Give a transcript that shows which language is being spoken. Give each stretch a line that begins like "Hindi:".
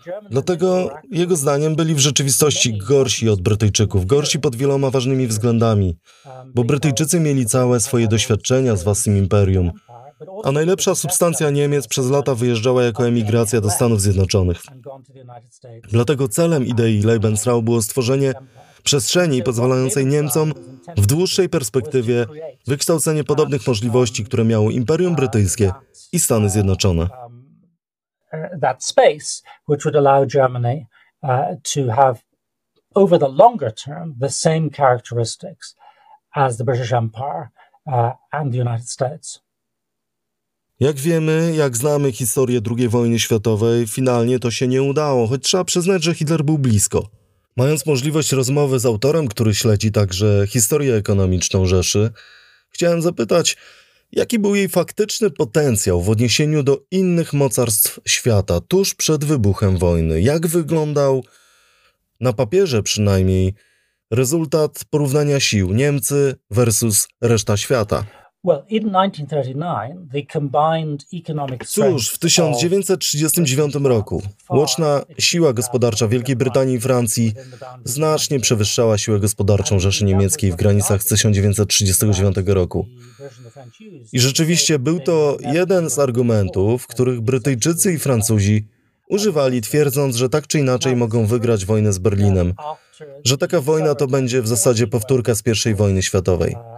Polish: Dlatego jego zdaniem byli w rzeczywistości gorsi od Brytyjczyków, gorsi pod wieloma ważnymi względami, bo Brytyjczycy mieli całe swoje doświadczenia z własnym imperium, a najlepsza substancja Niemiec przez lata wyjeżdżała jako emigracja do Stanów Zjednoczonych. Dlatego celem idei Lebensraum było stworzenie przestrzeni pozwalającej Niemcom w dłuższej perspektywie wykształcenie podobnych możliwości, które miało Imperium Brytyjskie i Stany Zjednoczone.
English: That space which would allow Germany to have over the longer term the same characteristics as the British Empire and the United States.
Polish: Jak wiemy, jak znamy historię II wojny światowej, finalnie to się nie udało, choć trzeba przyznać, że Hitler był blisko. Mając możliwość rozmowy z autorem, który śledzi także historię ekonomiczną Rzeszy, chciałem zapytać, jaki był jej faktyczny potencjał w odniesieniu do innych mocarstw świata tuż przed wybuchem wojny? Jak wyglądał, na papierze przynajmniej, rezultat porównania sił Niemcy versus reszta świata?
English: Well, in 1939, the combined economic strength.
Polish: Cóż, w 1939 roku łączna siła gospodarcza Wielkiej Brytanii i Francji znacznie przewyższała siłę gospodarczą Rzeszy Niemieckiej w granicach 1939 roku. I rzeczywiście był to jeden z argumentów, których Brytyjczycy i Francuzi używali, twierdząc, że tak czy inaczej mogą wygrać wojnę z Berlinem, że taka wojna to będzie w zasadzie powtórka z I wojny światowej.